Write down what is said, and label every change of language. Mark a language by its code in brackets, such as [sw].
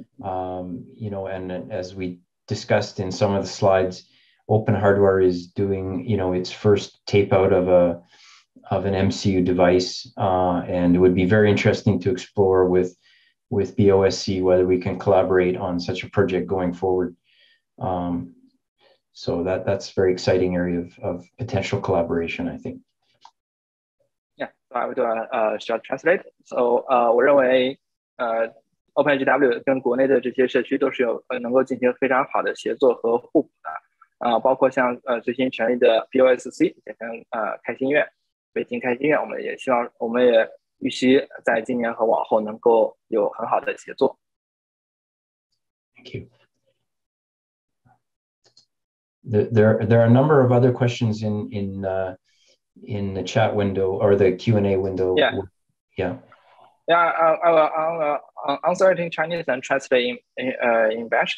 [en] And as we discussed in some of the slides, Open Hardware is doing its first tape out of an MCU device, and it would be very interesting to explore with BOSC whether we can collaborate on such a project going forward. So that's a very exciting area of potential collaboration, I think. Yeah, I will do a short translate. [zh] So 我认为 OpenHW 跟国内的这些社区都是能够进行非常好的协作和互补的，包括像最新成立的 BOSC 也跟开心院，北京开心院，我们也预期在今年和往后能够有很好的协作。 [en] Thank you. There are a number of other questions in the chat window or the Q&A window. I will answer it in Chinese and translate in Bash.